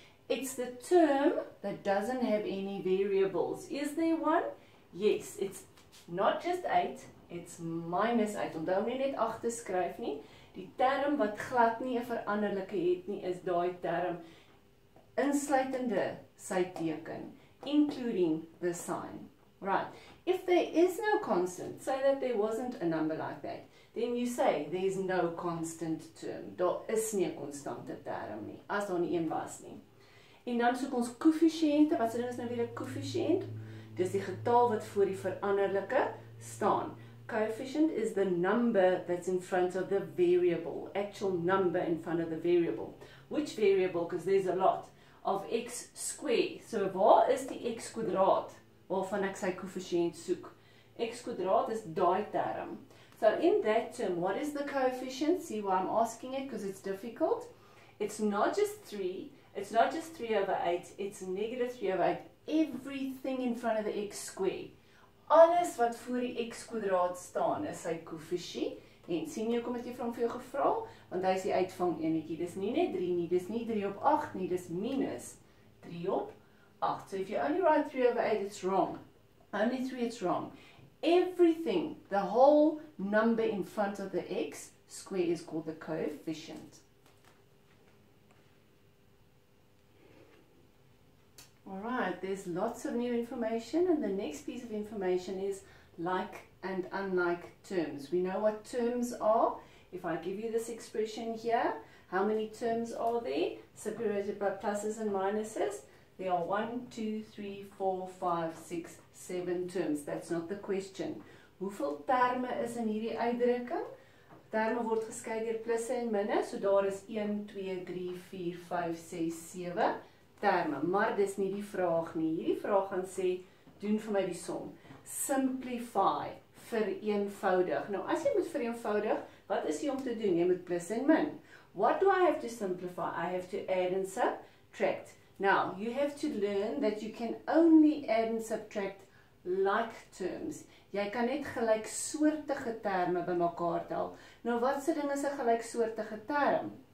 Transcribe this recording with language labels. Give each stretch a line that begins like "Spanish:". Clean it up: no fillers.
English: It's the term that doesn't have any variables. Is there one? Yes, it's not just 8, it's minus 8.
Afrikaans: Onthou nie net 8 te skryf nie. Die term wat glad nie 'n veranderlike het nie, is daai term insluitende sy teken.
English: Including the sign. Right. If there is no constant, say that there wasn't a number like that, then you say there's no constant term.
Afrikaans: Daar is nie 'n konstante term nie, as daar nie een was nie. En dan soek ons koëffisiënte. Wat se ding is nou weer 'n koëffisiënt? Dis die getal wat voor die veranderlike staan.
English: Coefficient is the number that's in front of the variable. Actual number in front of the variable. Which variable? Because there's a lot. Of x square.
Afrikaans: So waar is die x kwadraat waarvan ek sy koëffisiënt soek? X kwadraat is daai term.
English: So in that term, what is the coefficient? See why I'm asking it, because it's difficult. It's not just 3. It's not just 3 over 8. It's negative 3 over 8. Everything in front of the x square.
Afrikaans: Alles wat voor die x kwadraat staan is sy koëffisiënt. En sien jy hoekom ek jou van jou gevra? Want hy is die uitvang enetjie. Dis nie net 3 nie, dis nie 3 op 8 nie, dis minus 3 op 8.
English: So if you only write 3 over 8, it's wrong. Only 3, it's wrong. Everything, the whole number in front of the x square is called the coefficient. Alright, there's lots of new information. And the next piece of information is like and unlike terms. We know what terms are. If I give you this expression here, how many terms are there? Separated by pluses and minuses. There are 1, 2, 3, 4, 5, 6, 7 terms. That's not the question.
Afrikaans: Hoeveel terme is in hierdie uitdrukking? Terme word geskei deur plusse en minne. So daar is 1, 2, 3, 4, 5, 6, 7 terme. Maar dis nie die vraag nie. Hierdie vraag gaan sê, doen vir my die som. Simplify, vereenvoudig. Nou, as jy moet vereenvoudig, wat is jy om te doen? Jy moet plus en min.
English: What do I have to simplify? I have to add and subtract. Now, you have to learn that you can only add and subtract like terms.
Afrikaans: Jy kan net gelyksoortige terme bymekaar tel. Nou, wat se ding is 'n gelyksoortige term?